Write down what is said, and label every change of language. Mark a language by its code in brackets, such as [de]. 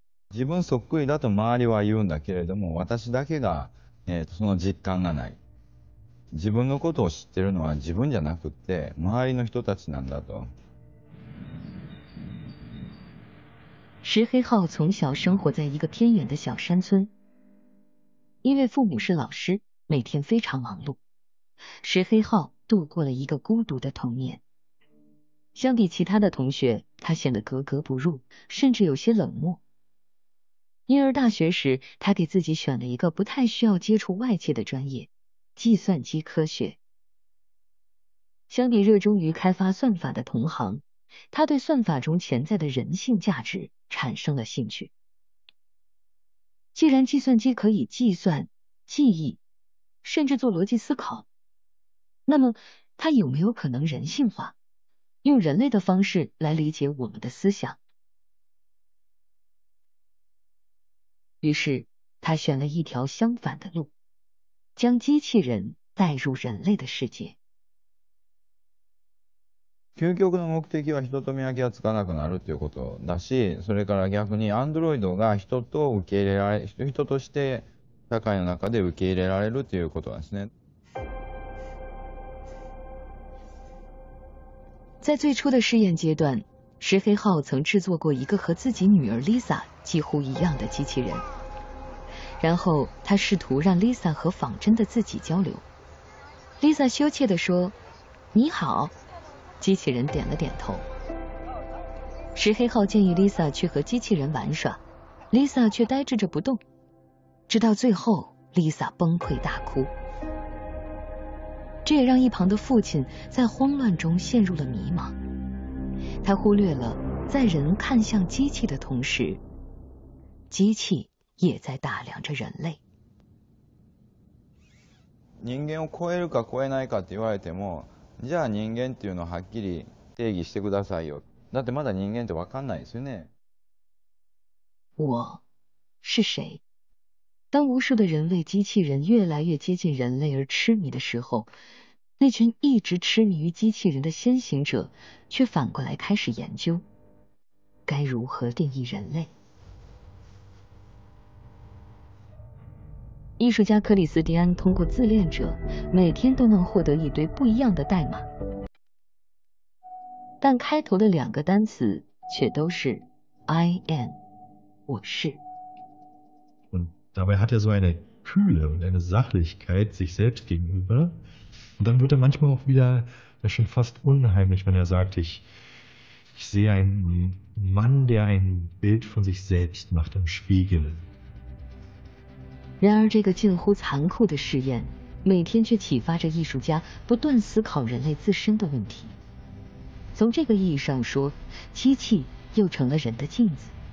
[ja] 自分そっくりだと周りは言うんだけれども、私だけが、その実感がない。自分のことを知ってるのは自分じゃなくて周りの人たちなんだと。 [zh] 石黑浩从小生活在一个偏远的小山村，因为父母是老师，每天非常忙碌，石黑浩度过了一个孤独的童年。相比其他的同学，他显得格格不入，甚至有些冷漠。因而大学时，他给自己选了一个不太需要接触外界的专业，计算机科学。相比热衷于开发算法的同行，他对算法中潜在的人性价值产生了兴趣。既然计算机可以计算、记忆，甚至做逻辑思考，那么它有没有可能人性化，用人类的方式来理解我们的思想？于是他选了一条相反的路，将机器人带入人类的世界。 [ja] 究極の目的は人と見分けがつかなくなるということだし、それから逆にアンドロイドが人と受け入れられ、人として社会の中で受け入れられるということですね。 [zh] 在最初的试验阶段，石黑浩曾制作过一个和自己女儿 Lisa 几乎一样的机器人，然后他试图让 Lisa 和仿真的自己交流。 Lisa 羞怯地说：“你好。” 机器人点了点头。石黑浩建议 Lisa 去和机器人玩耍， Lisa 却呆滞着不动，直到最后 Lisa 崩溃大哭。这也让一旁的父亲在慌乱中陷入了迷茫，他忽略了在人看向机器的同时，机器也在打量着人类。 [ja] 人间を超えるか超えないかって言われても、じゃあ人間っていうのをはっきり定義してくださいよ。だってまだ人間ってわかんないですよね。 [zh] 我是谁？当无数的人类机器人越来越接近人类而痴迷的时候，那群一直痴迷于机器人的先行者却反过来开始研究，该如何定义人类？艺术家克里斯蒂安通过自恋者，每天都能获得一堆不一样的代码，但开头的两个单词却都是 I am， 我是。 [de] Und dabei hat so eine Kühle und eine Sachlichkeit sich selbst gegenüber. Und dann wird manchmal auch wieder schon fast unheimlich, wenn sagt, ich sehe einen Mann, der ein Bild von sich selbst macht im Spiegel. [zh] 然而这个近乎残酷的试验每天却启发着艺术家不断思考人类自身的问题。从这个意义上说，机器又成了人的镜子。